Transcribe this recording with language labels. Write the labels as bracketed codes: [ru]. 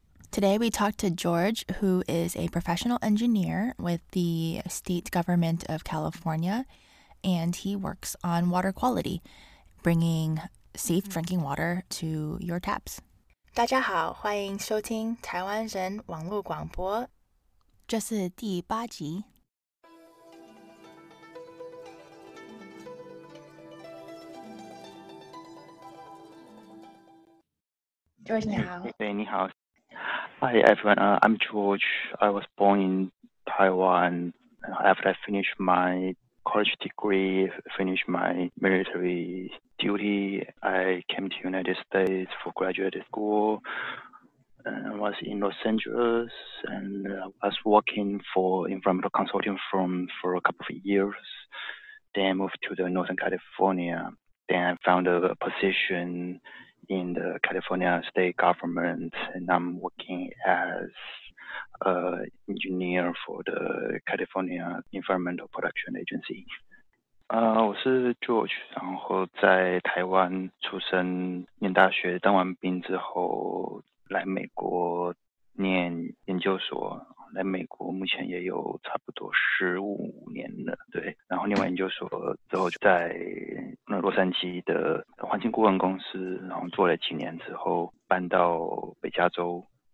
[en] Today we talked to George, who is a professional engineer with the state government of California, and he works on water quality, bringing safe drinking water to your taps. [zh] 大家好,欢迎收听台湾人网络广播。这是第八集。 [en] George, [zh] 你好. [en] Hi everyone, I'm George. I was born in Taiwan. After I finished my college degree, finished my military duty, I came to the United States for graduate school. I was in Los Angeles and I was working for environmental consulting firm for a couple of years. Then I moved to the Northern California. Then I found a position in the California state government, and I'm working as an engineer for the California Environmental Protection Agency. [zh] 我是 George, 然后念研究所，来美国念研究所，来美国目前也有差不多15年了，对。然后念完研究所之后，就在洛杉矶的环境顾问公司，然后做了几年之后，搬到北加州，